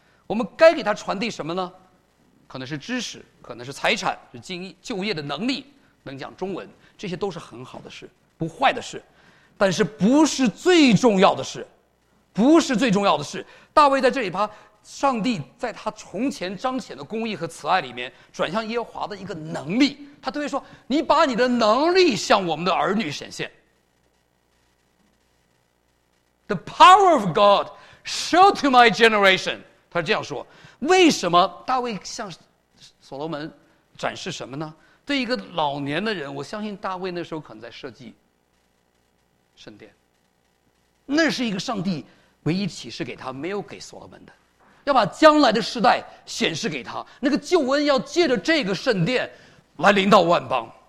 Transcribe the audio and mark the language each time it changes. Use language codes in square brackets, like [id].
[zh] 我们该给他传递什么呢？可能是知识，可能是财产，是经营就业的能力，能讲中文，这些都是很好的事，不坏的事，但是不是最重要的事，不是最重要的事。大卫在这里把上帝在他从前彰显的公义和慈爱里面转向耶和华的一个能力，他对于说，你把你的能力向我们的儿女显现。 [en] The power of God showed to my generation. [zh] 他是这样说。为什么大卫向所罗门展示什么呢？对一个老年的人，我相信大卫那时候可能在设计圣殿。那是一个上帝唯一启示给他，没有给所罗门的，要把将来的世代显示给他，那个救恩要借着这个圣殿来临到万邦。